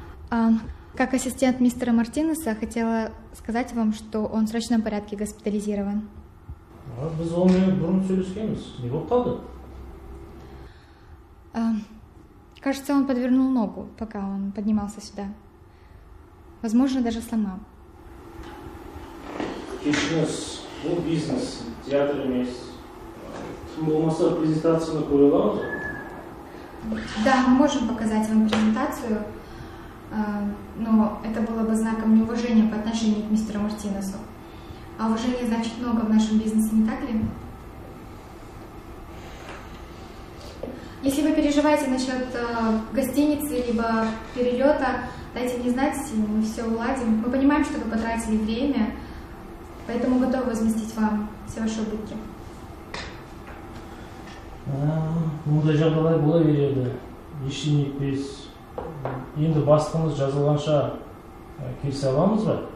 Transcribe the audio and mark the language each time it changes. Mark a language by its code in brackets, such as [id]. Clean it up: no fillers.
[ru] Как ассистент мистера Мартинеса, хотела сказать вам, что он в срочном порядке госпитализирован. [kk] Біз оны бұрын сөйлескеміз. Не болып қалды? [ru] Кажется, он подвернул ногу, пока он поднимался сюда. Возможно, даже сломал. [kk] Кешіңіз, бұл бизнес, театр емес. Кім болмаса презентацияны көре аламыз? [ru] Да, мы можем показать вам презентацию, но это было бы знаком неуважения по отношению к мистеру Мартинесу. А уважение значит много в нашем бизнесе, не так ли? Если вы переживаете насчет гостиницы, либо перелета, дайте мне знать, и мы все уладим. Мы понимаем, что вы потратили время, поэтому готовы возместить вам все ваши убытки. Ну, даже было и было верено. Еще не без... [kk] Енді бастыңыз жазылғанша келісе аламыз ба?